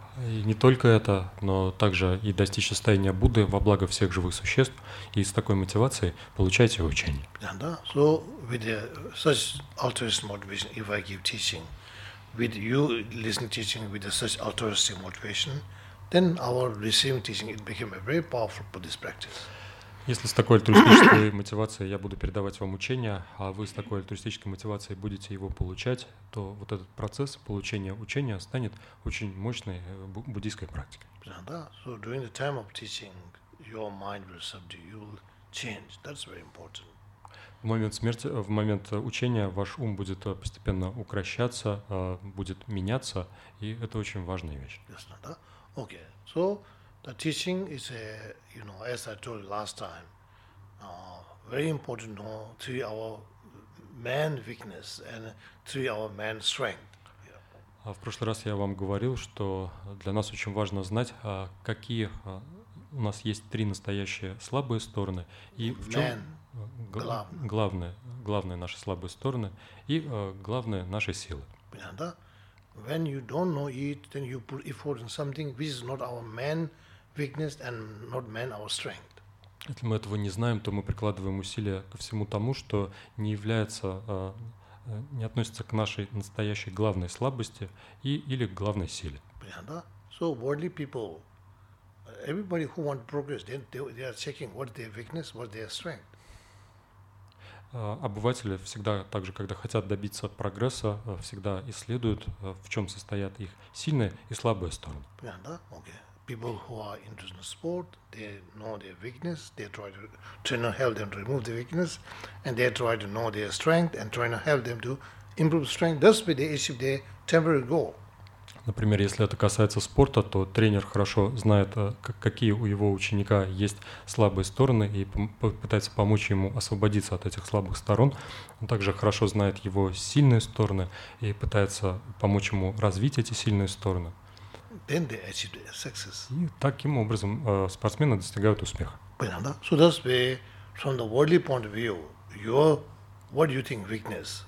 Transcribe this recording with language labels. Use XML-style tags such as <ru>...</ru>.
<ru>И не только это, но также и достичь состояния Будды во благо всех живых существ, и с такой мотивацией получайте учение.</ru> <en>So, with such altruistic motivation, if I give teaching, with you listening teaching with such altruistic motivation, then our receiving teaching it became a very powerful Buddhist practice.</en> <ru>Если с такой альтруистической мотивацией я буду передавать вам учение, а вы с такой альтруистической мотивацией будете его получать, то вот этот процесс получения учения станет очень мощной буддийской практикой. Да.</ru> <en>So during the time of teaching, your mind will subdue, you will change. That's very important.</en> <ru>В момент смерти, в момент учения ваш ум будет постепенно укращаться, будет меняться, и это очень важная вещь. Ясно, да.</ru> <en>Okay, so the teaching is a, you know, as I told you last time, very important to know three our man weakness and three our man strength.</en> <ru>В прошлый раз я вам говорил, что для нас очень важно знать, какие у нас есть три настоящие слабые стороны и в чем главные наши слабые стороны и главные наши силы.</ru> <en>When you don't know it, then you put effort in something which is not our man weakness and not man our strength.</en> <ru>Если мы этого не знаем, то мы прикладываем усилия ко всему тому, что не является, не относится к нашей настоящей главной слабости и или к главной силе. Да.</ru> <en>So worldly people, everybody who want progress, they are checking what their weakness, what their strength.</en> <ru>Обыватели всегда, также, когда хотят добиться прогресса, всегда исследуют, в чем состоят их сильные и слабые стороны.</ru> <en>Yeah, okay. people who are interested in sport, they know their weakness, they try to, trainer help them to remove the weakness, and they try to know their strength, and trainer help them to improve strength. That's where they achieve their temporary goal.</en> <ru>Например, если это касается спорта, то тренер хорошо знает, какие у его ученика есть слабые стороны и пытается помочь ему освободиться от этих слабых сторон. Он также хорошо знает его сильные стороны и пытается помочь ему развить эти сильные стороны.</ru> <en>Then they achieve success.</en> <ru>И таким образом спортсмены достигают успеха. Понятно?</ru> <en>So that's where, from the worldly point of view, what do you think weakness?</en>